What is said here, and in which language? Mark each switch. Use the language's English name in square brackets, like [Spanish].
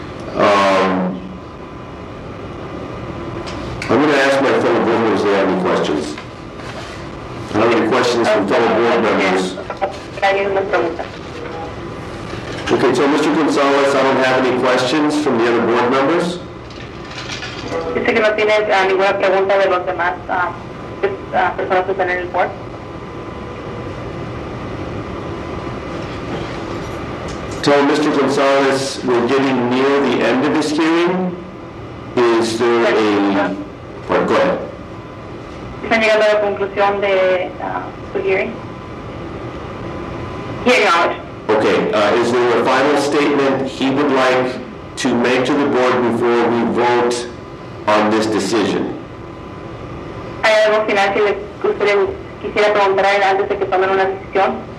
[English] I'm going to ask my fellow board members if they have any questions. I don't have any questions from fellow board members. Okay, so Mr. Gonzalez, I don't have any questions from the other board members. [Spanish] Dice que no tiene ninguna pregunta de los demás personas que están en el board. [English] tell Mr. Gonzalez we're getting near the end of this hearing. Is there a... Well, go ahead. [Spanish] ¿Están llegando a la conclusión de su hearing? [English] Hearing out. Okay, is there a final statement he would like to make to the board before we vote on this decision? [Spanish] ¿Hay algo final que usted quisiera preguntar antes de que tomen una decisión?